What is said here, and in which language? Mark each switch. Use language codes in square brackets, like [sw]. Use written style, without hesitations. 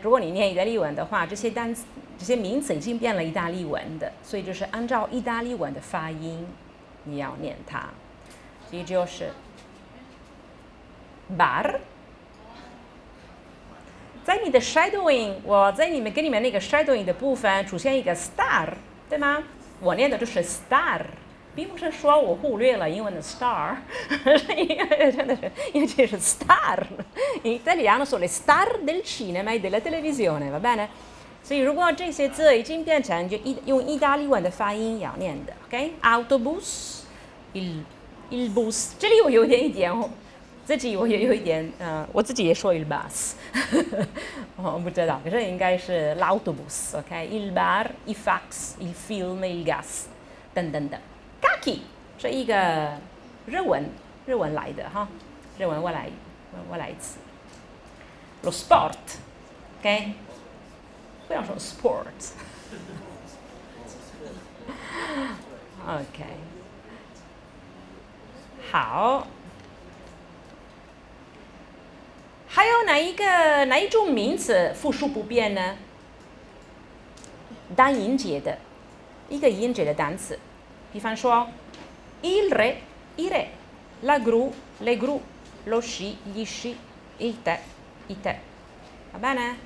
[zh] 如果你念意大利文的话，这些单词、这些名词已经变了意大利文的，所以就是按照意大利文的发音，你要念它。所以就是 bar， 在你的 shadowing， 我在你们给你们那个 shadowing 的部分出现一个 star。对吗？我念的就是 star， 并不是说我忽略了英文的 star， 真的是，尤其是 star， [it] in italiano sono le star del cinema e della televisione， [zh] 明白吗？所以如果这些字已经变成就用意大利文的发音要念的 ，OK？ Autobus， il bus， 这里我有点一点，自己我也有一点，我自己也说 il bus， 我不知道，可是应该是 l'autobus， OK， il bar， il fax， il film， il gas， 等等等。 Kaki 是一个日文来的哈，日文外来词。Lo sport， OK，不想说 sports。 OK， 好，还有哪一种名词复数不变呢？单音节的，一个音节的单词，比方说 [it] il re il re， la gru le gru， lo sci gli sci， il te [zh] il te， 好吧呢？